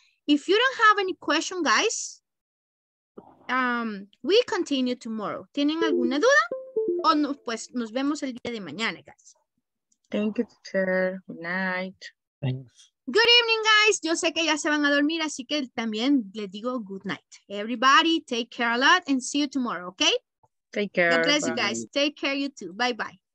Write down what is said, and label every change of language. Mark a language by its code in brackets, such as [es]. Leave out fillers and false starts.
[en] If you don't have any question, guys, we continue tomorrow. [es] ¿Tienen alguna duda? O no, pues nos vemos el día de mañana, guys. [en] Thank you, teacher. Good night. Thanks. Good evening, guys. [es] Yo sé que ya se van a dormir, así que también les digo [en] good night. Everybody, take care a lot and see you tomorrow, okay? Take care. God bless you guys. Take care, you too. Bye-bye.